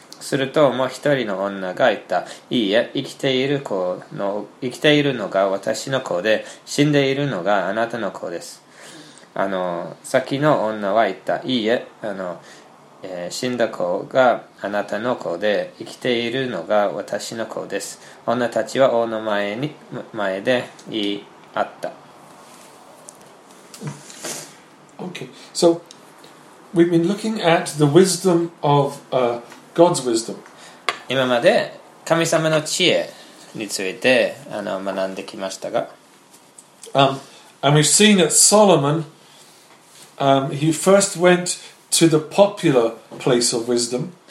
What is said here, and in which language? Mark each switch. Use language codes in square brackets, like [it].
[ja] するともう一人の女が言った。いいえ、生きているのが私の子で、死んでいるのがあなたの子です。先の女は言った。いいえ、死んだ子があなたの子で、生きているのが私の子です。女たちは王の前で言い、 [en] Okay, so we've been looking at the wisdom of God's wisdom. [ja] 今まで神様の知恵について学んできましたが、 [en] and we've seen that Solomon, he first went to the popular place of wisdom.